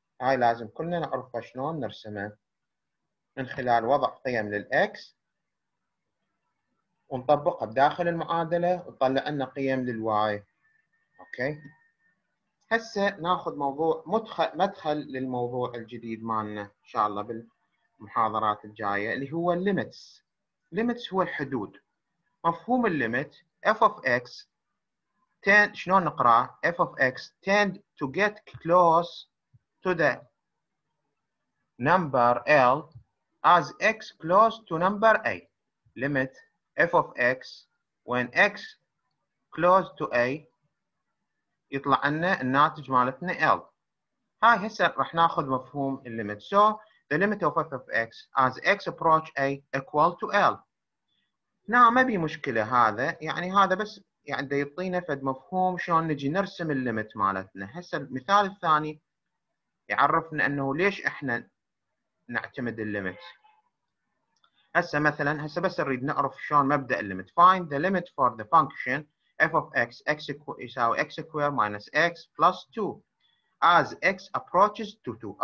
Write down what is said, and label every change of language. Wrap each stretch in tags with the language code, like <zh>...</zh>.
<ar>هاي لازم كلنا نعرف شلون نرسمه من خلال وضع قيم للإكس ونطبقها بداخل المعادلة وطلع لنا قيم للواي. أوكي، هسا ناخذ موضوع مدخل للموضوع الجديد مالنا إن شاء الله بالمحاضرات الجاية اللي هو الليميتس. limits هو الحدود. مفهوم الليمت</ar> <en>f of x tend،</en> <ar>شلون نقرا</ar> <en>f of x tend to get close to the number l as x close to number a. limit f of x when x close to a</en> <ar>يطلع لنا الناتج مالتنا</ar> <en>l.</en> <ar>هاي هسه راح ناخذ مفهوم الليمت.</ar> <en>So the limit of f of x as x approach a equal to l.</en> <ar>هنا ما بي مشكلة هذا، يعني هذا بس يعني دا يعطينا فد مفهوم شلون نجي نرسم الليمت مالتنا. هسه المثال الثاني يعرفنا انه ليش احنا نعتمد الليمت. هسه مثلا هسه بس نريد نعرف شلون مبدأ الليمت.</ar> <en>Find the limit for the function f of x x يساوي x square minus x plus 2 as x approaches to 2.</en>